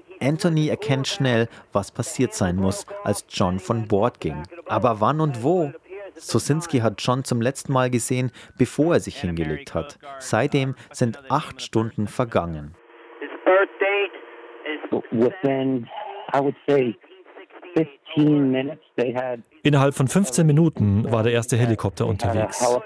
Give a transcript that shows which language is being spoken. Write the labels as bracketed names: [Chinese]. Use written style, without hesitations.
[German] Anthony erkennt schnell, was passiert sein muss, als John von Bord ging. Aber wann und wo? Sosinski hat John zum letzten Mal gesehen, bevor er sich hingelegt hat. Seitdem sind 8 Stunden vergangen. [English] His birth date is within, I would say, 15 minutes. They had. [German] Innerhalb von 15 Minuten war der erste Helikopter unterwegs.